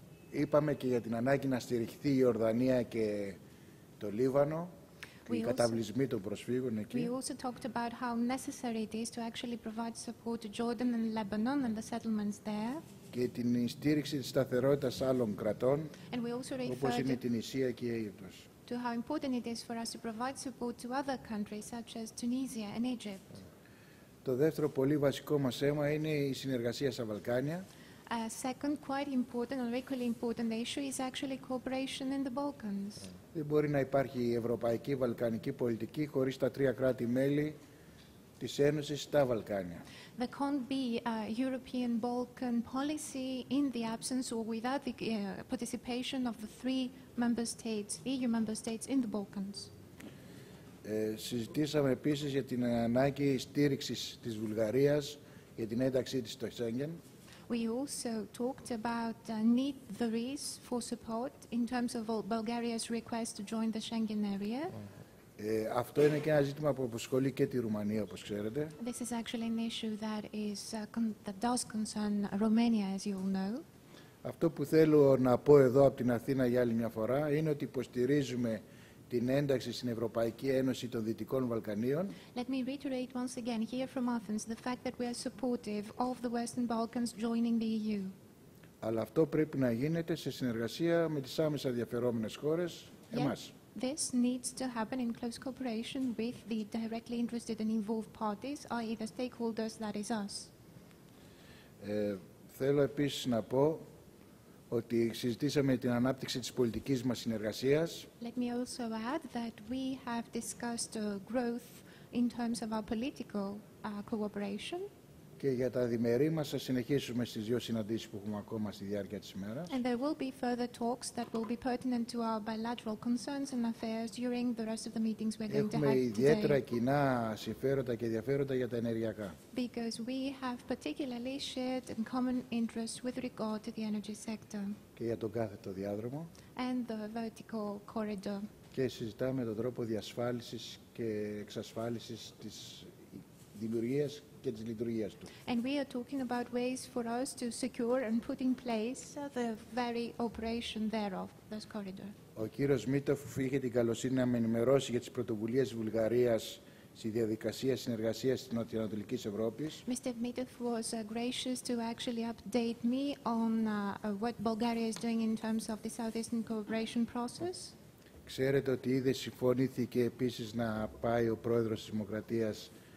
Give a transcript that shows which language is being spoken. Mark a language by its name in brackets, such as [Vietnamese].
[Greek] Είπαμε και για την ανάγκη να στηριχθεί η Ιορδανία και το Λίβανο, την καταβλισμή των προσφύγων εκεί. [English] We also talked about how necessary it is to actually provide support to Jordan and Lebanon and the settlements there. [Greek] Και την στήριξη της σταθερότητας άλλων κρατών, όπως είναι την Τουνησία και η Αίγυπτος. [English] To how important it is for us to provide support to other countries such as Tunisia and Egypt. [Greek] Το δεύτερο πολύ βασικό μας θέμα είναι η συνεργασία στα Βαλκάνια. [English] A second quite important or equally important issue is actually cooperation in the Balkans. [Greek] Δεν μπορεί να υπάρχει η ευρωπαϊκή βαλκανική πολιτική χωρίς τα τρία κράτη-μέλη της Ένωσης στα Βαλκάνια. [English] There can't be a European Balkan policy in the absence or without the participation of the three member states, EU member states in the Balkans. [Greek] Συζητήσαμε επίσης για την ανάγκη στήριξης της Βουλγαρίας για την ένταξή της στο Σέγγεν. [English] We also talked about need there is for support in terms of Bulgaria's request to join the Schengen area. [Greek] Αυτό είναι και ένα ζήτημα που απασχολεί και τη Ρουμανία, όπως ξέρετε. [English] This is actually an issue that is that does concern Romania, as you all know. [Greek] Αυτό που θέλω να πω εδώ από την Αθήνα για άλλη μια φορά είναι ότι υποστηρίζουμε την ένταξη στην Ευρωπαϊκή Ένωση των Δυτικών Βαλκανίων. [English] Let me reiterate once again here from Athens the fact that we are supportive of the Western Balkans joining the EU. [Greek] Αλλά αυτό πρέπει να γίνεται σε συνεργασία με τις άμεσα ενδιαφερόμενες χώρες, εμάς. [English] This needs to happen in close cooperation with the directly interested and involved parties, i.e. the stakeholders, that is us. [Greek] Θέλω επίσης να πω ότι συζητήσαμε την ανάπτυξη της πολιτικής μας συνεργασίας. [English] Let me also add that we have discussed growth in terms of our political cooperation. [Greek] Και για τα διμερεί μας θα συνεχίσουμε στις δύο συναντήσεις που έχουμε ακόμα στη διάρκεια της ημέρας. [English] And there will be further talks that will be pertinent to our bilateral concerns and affairs during the rest of the meetings we're going to have today. [Greek] Έχουμε ιδιαίτερα κοινά συμφέροντα και ενδιαφέροντα για τα ενεργειακά. [English] Because we have particularly shared and common interests with regard to the energy sector. [Greek] Και για τον κάθετο διάδρομο. [English] And the vertical corridor. [Greek] Και συζητάμε τον τρόπο διασφάλισης και εξασφάλισης της δημιουργίας και της λειτουργίας του. [English] And we are talking about ways for us to secure and put in place the very operation thereof, this corridor. [Greek] Ο κύριος Μίτοφ είχε την καλοσύνη να με ενημερώσει για τις πρωτοβουλίες της Βουλγαρίας στη διαδικασία συνεργασίας της Νοτιοανατολικής Ευρώπης. [English] Mr. Mitov was gracious to actually update me on what Bulgaria is doing in terms of the Southeastern Cooperation Process. [Greek] Ξέρετε ότι ήδη συμφωνήθηκε επίσης να πάει ο πρόεδρος της Δημοκρατίας.